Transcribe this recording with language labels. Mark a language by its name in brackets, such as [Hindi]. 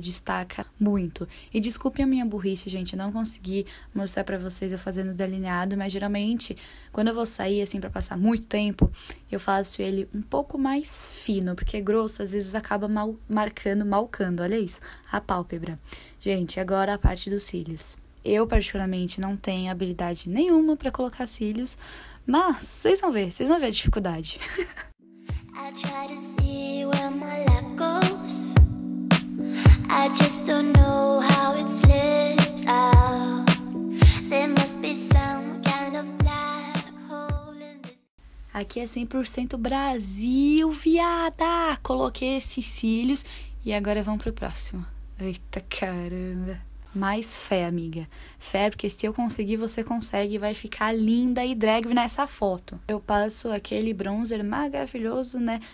[Portuguese] Destaca muito. E desculpe a minha burrice, gente. Não consegui mostrar pra vocês eu fazendo delineado, mas geralmente, quando eu vou sair, assim, pra passar muito tempo, eu faço ele um pouco mais fino, porque é grosso, às vezes acaba mal marcando, malcando. Olha isso, a pálpebra. Gente, agora a parte dos cílios. Eu, particularmente, não tenho habilidade nenhuma pra colocar cílios, mas vocês vão ver a dificuldade. [English] I try to see where my luck goes. I just don't know how it slips out. There must be some kind of black hole in this. [Portuguese] Aqui é 100% Brasil, viada! Coloquei esses cílios e agora vamos pro próximo. Eita caramba! Mais fé, amiga. Fé, porque se eu conseguir, você consegue. Vai ficar linda e drag nessa foto. Eu passo aquele bronzer maravilhoso, né?